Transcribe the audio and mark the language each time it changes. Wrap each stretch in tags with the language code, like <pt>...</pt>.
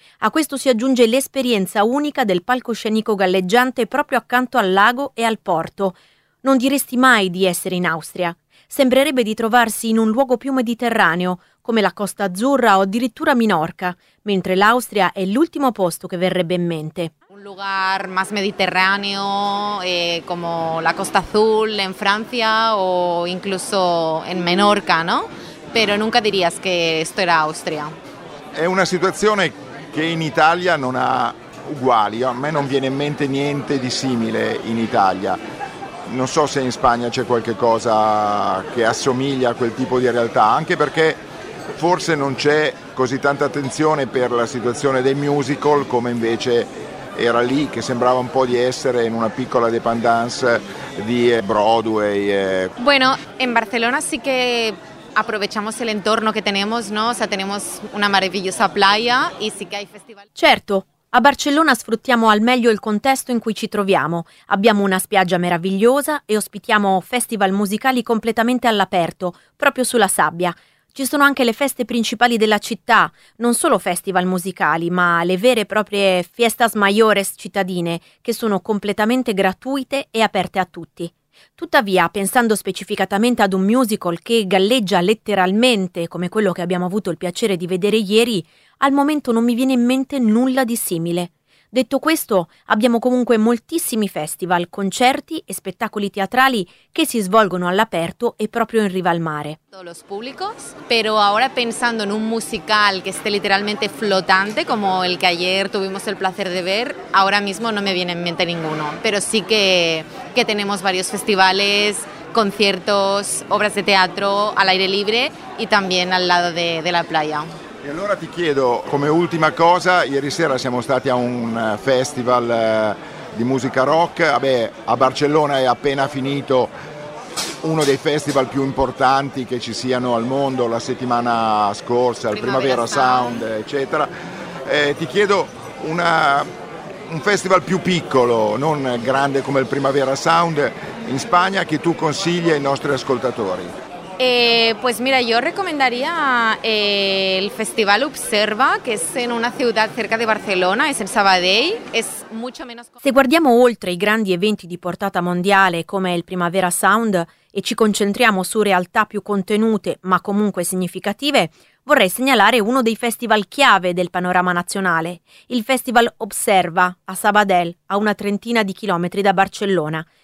<it>A questo si aggiunge l'esperienza unica del palcoscenico galleggiante proprio accanto al lago e al porto. Non diresti mai di essere in Austria. sembrerebbe di trovarsi in un luogo più mediterraneo, come la Costa Azzurra o addirittura Minorca, mentre l'Austria è l'ultimo posto che verrebbe in mente.</it> <es>Un lugar más mediterráneo, como la Costa Azul en Francia o incluso en Menorca, ¿no? Pero nunca dirías que esto era Austria.</es> <it>È una situazione che in Italia non ha uguali, a me non viene in mente niente di simile in Italia. Non so se in Spagna c'è qualche cosa che assomiglia a quel tipo di realtà, anche perché forse non c'è così tanta attenzione per la situazione dei musical come invece era lì, che sembrava un po' di essere in una piccola dépendance di Broadway.</it> <es>Bueno, en Barcelona sí que aprovechamos el entorno que tenemos, ¿no? O sea, tenemos una maravillosa playa y sí que hay festival.</es> <it>Certo. A Barcellona sfruttiamo al meglio il contesto in cui ci troviamo. Abbiamo una spiaggia meravigliosa e ospitiamo festival musicali completamente all'aperto, proprio sulla sabbia. Ci sono anche le feste principali della città, non solo festival musicali, ma le vere e proprie fiestas mayores cittadine, che sono completamente gratuite e aperte a tutti. Tuttavia, pensando specificatamente ad un musical che galleggia letteralmente, come quello che abbiamo avuto il piacere di vedere ieri, al momento non mi viene in mente nulla di simile. Detto questo, abbiamo comunque moltissimi festival, concerti e spettacoli teatrali che si svolgono all'aperto e proprio in riva al mare.</it> <es>Los públicos, pero ahora pensando en un musical que esté literalmente flotante como el que ayer tuvimos el placer de ver, ahora mismo no me viene en mente ninguno, pero sí que tenemos varios festivales, conciertos, obras de teatro al aire libre y también al lado de la playa.</es> <it>E allora ti chiedo, come ultima cosa, ieri sera siamo stati a un festival di musica rock, vabbè, a Barcellona è appena finito uno dei festival più importanti che ci siano al mondo, la settimana scorsa, il Primavera Sound, eccetera. Ti chiedo un festival più piccolo, non grande come il Primavera Sound, in Spagna, che tu consigli ai nostri ascoltatori.</it> <es>Pues mira, yo recomendaría el Festival Observa, que es en una ciudad cerca de Barcelona, es en Sabadell, es mucho menos.</es> <it>Se guardiamo oltre i grandi eventi di portata mondiale come il Primavera Sound e ci concentriamo su realtà più contenute, ma comunque significative, vorrei segnalare uno dei festival chiave del panorama nazionale, il Festival Observa a Sabadell, a una trentina di chilometri da Barcellona.</it>